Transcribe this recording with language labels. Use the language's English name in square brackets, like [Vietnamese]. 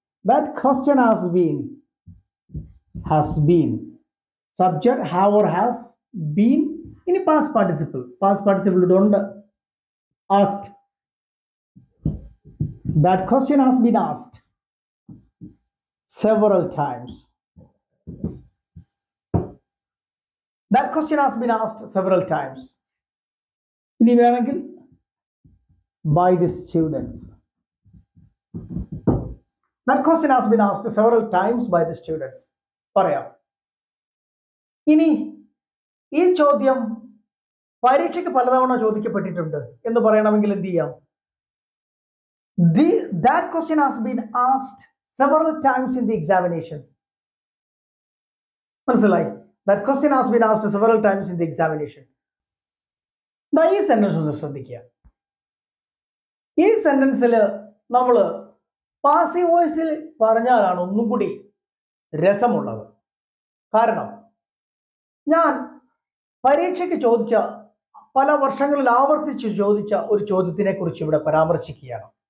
[English] That question has been, has been. Subject have or has been. ഇനി past participle, past participle ഇതുണ്ട്. Asked, that question has been asked several times. That question has been asked several times. [Malayalam] ഇനി വേണമെങ്കിൽ [English] by the students. That question has been asked several times by the students. [Malayalam] പറയാം. ഇനി ഈ ചോദ്യം പരീക്ഷയ്ക്ക് പലതവണ ചോദിക്കപ്പെട്ടിട്ടുണ്ട് എന്ന് പറയണമെങ്കിൽ എന്ത് ചെയ്യാം? [English] That question has been asked several times in the examination. [Malayalam] മനസ്സിലായി? [English] That question has been asked several times in the examination. [Malayalam] Now, ഈ സെന്റൻസ് ഒന്ന് ശ്രദ്ധിക്കുക. ഈ സെന്റൻസിൽ നമ്മൾ പാസീവ് വോയിസിൽ പറഞ്ഞാലാണ് ഒന്നും കൂടി രസമുള്ളത്. കാരണം ഞാൻ പരീക്ഷയ്ക്ക് ചോദിച്ച, പല വർഷങ്ങളിൽ ആവർത്തിച്ച് ചോദിച്ച ഒരു ചോദ്യത്തിനെ കുറിച്ച് ഇവിടെ പരാമർശിക്കുകയാണ്.